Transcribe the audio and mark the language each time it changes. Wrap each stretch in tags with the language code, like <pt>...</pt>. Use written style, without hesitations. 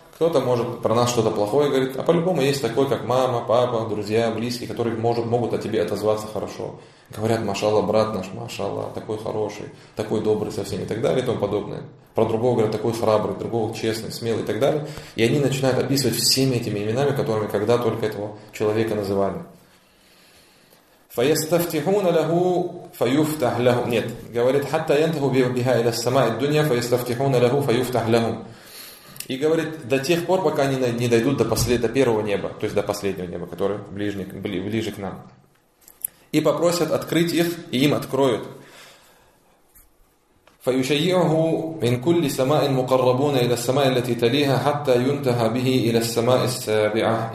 <ru>Кто-то может про нас что-то плохое говорить, а по-любому есть такой, как мама, папа, друзья, близкие, которые могут о тебе отозваться хорошо. Говорят, машалла, брат наш, машалла, такой хороший, такой добрый со всеми и так далее и тому подобное. Про другого говорят, такой храбрый, другого честный, смелый и так далее. И они начинают описывать всеми этими именами, которыми когда только этого человека называли.</ru> <ar>فَيَسْتَفْتِحُونَ لَهُ فَيُفْتَحْ لَهُمْ.</ar> <ru>Нет, говорит,</ru> <ar>حَتَّى يَنْتَهُ بِهَا إِلَى السَّمَاءِ الدُّنْيَا فَيَسْتَفْتِحُونَ لَهُ فَيُفْتَحْ لَهُمْ.</ar> <ru>И говорит, до тех пор, пока они не дойдут до первого неба, то есть до последнего неба, которое ближе к нам. И попросят открыть их, и им откроют.</ru> <ar>فَيُشَيِّعُهُ مِنْ كُلِّ سَمَاءٍ مُقَرَّبُونَ إِلَى السَّمَاءِ الَّتِي تَلِيهَا حَتَّى يُنْتَهَى بِهِ إِلَى السَّمَاءِ السَّابِعَةِ.</ar>